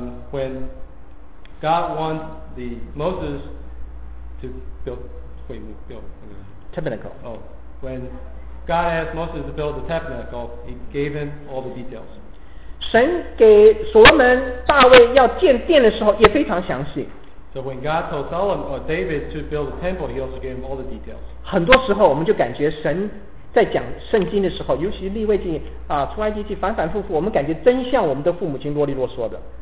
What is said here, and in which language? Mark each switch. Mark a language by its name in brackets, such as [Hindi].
[English] When God wants the Moses to build 会幕 Tabernacle When God asked Moses to build the tabernacle he gave him all the details [Chinese] 神给所罗门大卫要建殿的时候也非常详细 [English] So when God told Solomon or David to build the temple he also gave him all the details [Chinese] 很多时候我们就感觉神在讲圣经的时候尤其立位记出埃及记反反复复我们感觉真像我们的父母亲啰里啰嗦的